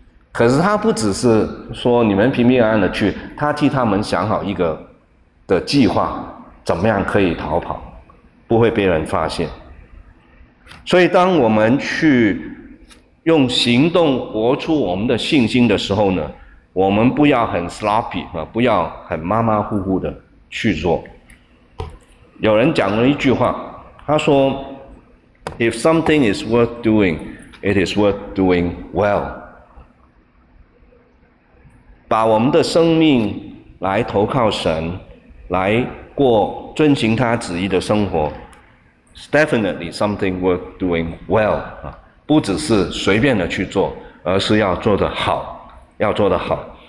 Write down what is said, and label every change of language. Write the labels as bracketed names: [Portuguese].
[Chinese] 可是他不只是说你们平平安安的去，他替他们想好一个的计划，怎么样可以逃跑，不会被人发现。所以当我们去用行动活出我们的信心的时候呢，我们不要很 sloppy， 不要很马马虎虎的去做。有人讲了一句话， [English] 他说 ，If something is worth doing, it is worth doing well。 [Chinese] 把我们的生命来投靠神，来过遵循他旨意的生活 ， [English] is definitely something worth doing well。 [Chinese] 不只是随便的去做，而是要做得好，要做得好。